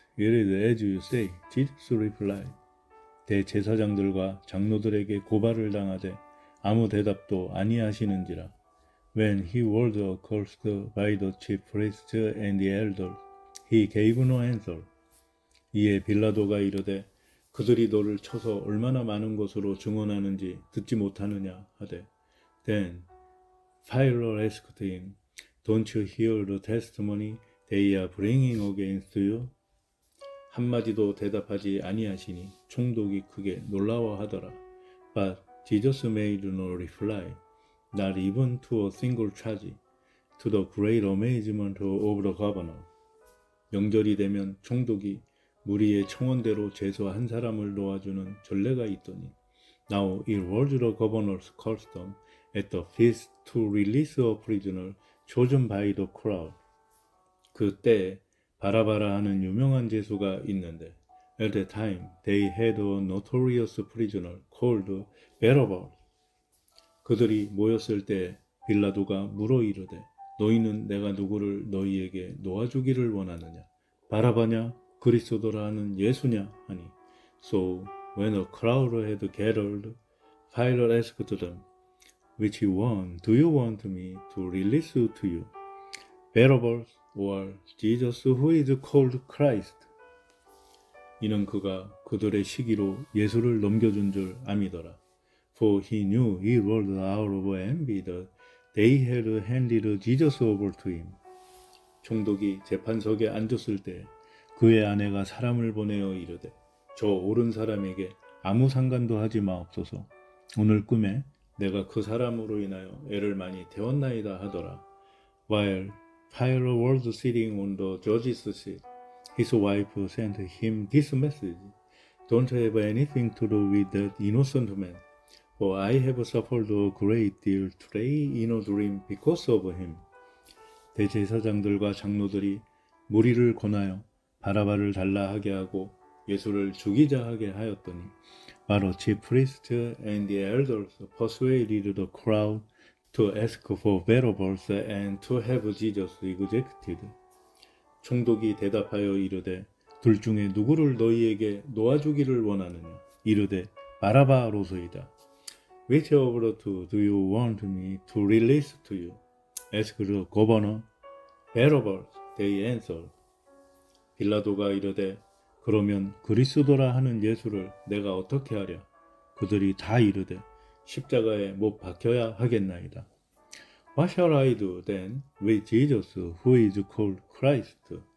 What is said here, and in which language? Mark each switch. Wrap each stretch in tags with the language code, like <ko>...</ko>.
<en>It is as you say, Jesus replied.</en> <ko>대제사장들과 장로들에게 고발을 당하되 아무 대답도 아니하시는지라.</ko> <en>When he was accused by the chief priests and the elders, he gave no answer.</en> <ko>이에 빌라도가 이르되 그들이 너를 쳐서 얼마나 많은 것으로 증언하는지 듣지 못하느냐 하되.</ko> <en>Then Pilate asked him, Don't you hear the testimony they are bringing against you?</en> <ko>한마디도 대답하지 아니하시니 총독이 크게 놀라워하더라.</ko> <en>But Jesus made no reply, not even to a single charge, to the great amazement of the governor.</en> <ko>명절이 되면 총독이 무리의 청원대로 죄수 한 사람을 놓아주는 전례가 있더니,</ko> <en>Now it was the governor's custom at the feast to release a prisoner chosen by the crowd.</en> <ko>그때 바라바라 하는 유명한 죄수가 있는데,</ko> <en>At that time, they had a notorious prisoner called Barabbas.</en> <ko>그들이 모였을 때 빌라도가 물어 이르되, 너희는 내가 누구를 너희에게 놓아주기를 원하느냐? 바라바냐? 그리스도라 하는 예수냐? 하니.</ko> <en>So, when a crowd had gathered, Pilate asked them, Which one do you want me to release to you? Barabbas? Or Jesus who is called Christ.</en> <ko>이는 그가 그들의 시기로 예수를 넘겨준 줄 암이더라.</ko> <en>For he knew he rolled out of envy that they had handed Jesus over to him.</en> <ko>총독이 재판석에 앉았을 때 그의 아내가 사람을 보내어 이르되 저 옳은 사람에게 아무 상관도 하지 마옵소서. 오늘 꿈에 내가 그 사람으로 인하여 애를 많이 태웠나이다 하더라.</ko> <en>While Tyler was sitting on the judge's seat, his wife sent him this message. Don't have anything to do with that innocent man, for I have suffered a great deal today in a dream because of him.</en> <ko>대제사장들과 장로들이 무리를 권하여 바라바를 달라 하게 하고 예수를 죽이자 하게 하였더니, 바로</ko> <en>chief priests and the elders persuaded the crowd to ask for Barabbas and to have Jesus executed.</en> <ko>총독이 대답하여 이르되, 둘 중에 누구를 너희에게 놓아주기를 원하느냐? 이르되, 바라바로소이다.</ko> <en>Which of the two do you want me to release to you? Ask the governor. Barabbas, they answered.</en> <ko>빌라도가 이르되, 그러면 그리스도라 하는 예수를 내가 어떻게 하랴? 그들이 다 이르되, 십자가에 못 박혀야 하겠나이다.</ko> <en>What shall I do then with Jesus who is called Christ?</en>